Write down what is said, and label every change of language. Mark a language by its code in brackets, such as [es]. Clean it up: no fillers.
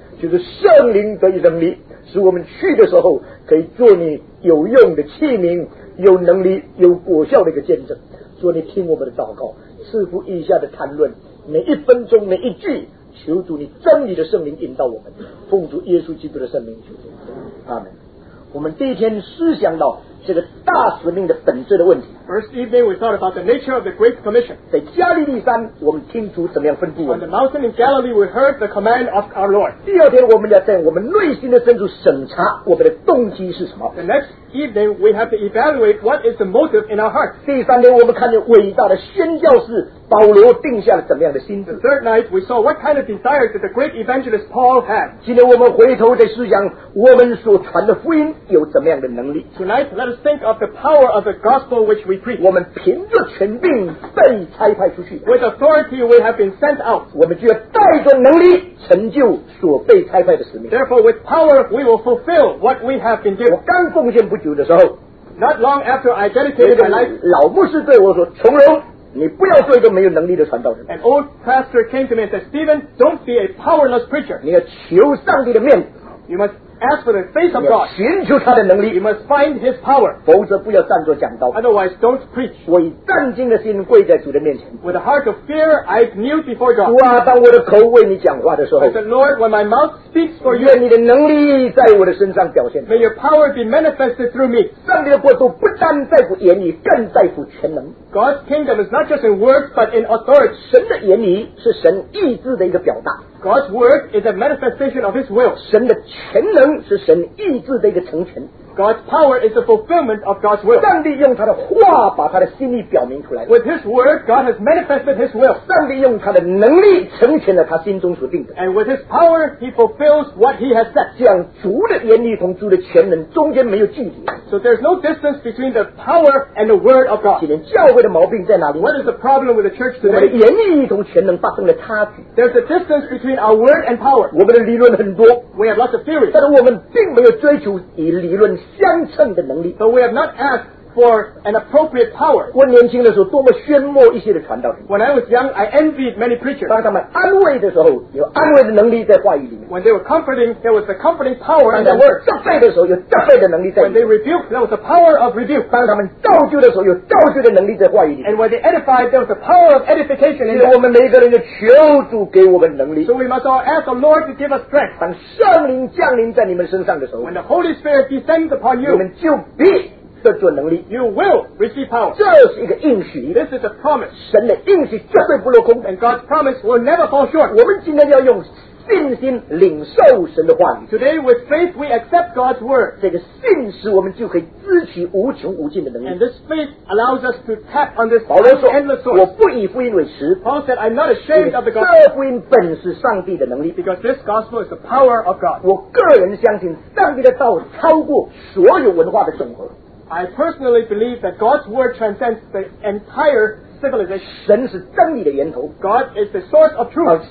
[zh] 就是圣灵得以能力使我们去的时候可以做你有用的器皿有能力有果效的一个见证说你听我们的祷告赐福以下的谈论每一分钟每一句求主你真理的圣灵引导我们奉主耶稣基督的圣灵求主阿们我们第一天思想到这个大使命的本质的问题 [en] First evening we thought about the nature of the Great Commission [zh] 在加利利山我们听主怎么样吩咐我们 [en] On the mountain in Galilee we heard the command of our Lord [zh] 第二天我们要在我们内心的深处审查我们的动机是什么 [en] The next evening we have to evaluate what is the motive in our heart [zh] 第三天我们看见伟大的宣教士保罗定下了怎么样的心志 [en] The third night we saw what kind of desire did the great evangelist Paul have [zh] 今天我们回头再思想我们所传的福音有怎么样的能力 [en] Tonight let us think of the power of the gospel which we preach [zh] 我们凭着权柄被差派出去 [en] with authority we have been sent out [zh] 我们就要带着能力成就所被差派的使命 [en] therefore with power we will fulfill what we have been given [zh] 我刚奉献不久的时候 [en] not long after I dedicated my life [zh] 老牧师对我说从容你不要做一个没有能力的传道人 [en] an old pastor came to me and said Stephen don't be a powerless preacher [zh] 你要求上帝的面 [en] you mustask for the face of God [zh] 寻求他的能力 [en] you must find his power [zh] 否则不要站着讲道 [en] otherwise don't preach [zh] 我以战惊的心跪在主的面前 [en] with a heart of fear I kneel before God [zh] 主啊当我的口为你讲话的时候 [en] I said Lord when my mouth speaks for you [zh] 愿你的能力在我的身上表现 [en] may your power be manifested through me [zh] 上帝的国度不单在乎言语更在乎全能 [en] God's kingdom is not just in words but in authority [zh] 神的言语是神意志的一个表达 [en] God's word is a manifestation of His will. [zh] 神的全能是神意志的一个成全。 [en] God's power is the fulfillment of God's will. [zh] 上帝用他的话把他的心意表明出来。 [en] With His word, God has manifested His will. [zh] 上帝用他的能力成全了他心中所定的。 [en] And with His power, He fulfills what He has said. [zh] 这样主的言语同主的全能中间没有距离。 [en] So there's no distance between the power and the word of God. [zh] 今天教会的毛病在哪里？ [en] What is the problem with the church today? [zh] 我们的言语同全能发生了差距。 [en] There's a distance between our word and power. [zh] 我们的理论很多。 [en] We have lots of theories. [zh] 但是我们并没有追求以理论相称的能力。 [en] But we have not asked for an appropriate power. [zh] 我年轻的时候多么炫目一些的传道人。 [en] When I was young, I envied many preachers. [zh] 当他们安慰的时候，有安慰的能力在话语里面。 [en] When they were comforting, there was a comforting power in their words. [zh] 当他们责备的时候，有责备的能力在。 [en] When they rebuked, there was a power of rebuke. [zh] 当他们造就的时候，有造就的能力在话语里。 [en] And when they edified, there was a power of edification in them. [zh] 我们每个人要求主给我们能力。 [en] So we must all ask the Lord to give us strength. [zh] 当圣灵降临在你们身上的时候。 [en] When the Holy Spirit descends upon you, [zh] 你们就必得着能力。 [en] You will receive power. [zh] 这是一个应许。 [en] This is a promise. [zh] 神的应许绝对不落空。 [en] And God's promise will never fall short. [zh] 我们今天要用信心领受神的话语。 [en] Today with faith we accept God's word. [zh] 这个信使我们就可以支取无穷无尽的能力。 [en] And this faith allows us to tap on this endless source. [zh] 保罗说，我不以福音为耻。 [en] Paul said, I'm not ashamed of the gospel. [zh] 这福音本是上帝的能力。 [en] Because this gospel is the power of God. [zh] 我个人相信上帝的道超过所有文化的总和。 [en] I personally believe that God's word transcends the entire civilization. [zh] 神是真理的源头。 [en] God is the source of truth.